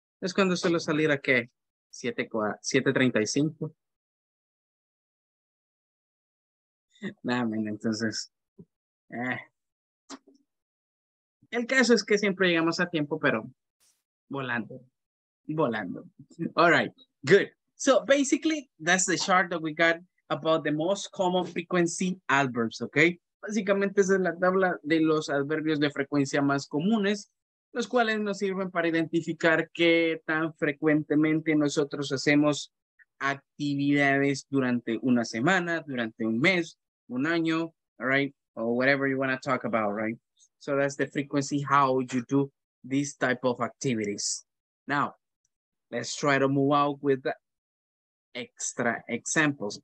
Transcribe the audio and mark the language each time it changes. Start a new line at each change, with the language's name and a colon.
Spanish: Es cuando suelo salir a qué, 7:35. Nada, men, entonces. El caso es que siempre llegamos a tiempo, pero volando.
English: All right, good. So basically, that's the chart that we got about the most common frequency adverbs, okay?
Spanish: Básicamente, esa es la tabla de los adverbios de frecuencia más comunes, los cuales nos sirven para identificar qué tan frecuentemente nosotros hacemos actividades durante una semana, durante un mes, un año, all right?
English: Or whatever you want to talk about, right? So that's the frequency, how you do these type of activities. Now, let's try to move out with extra examples.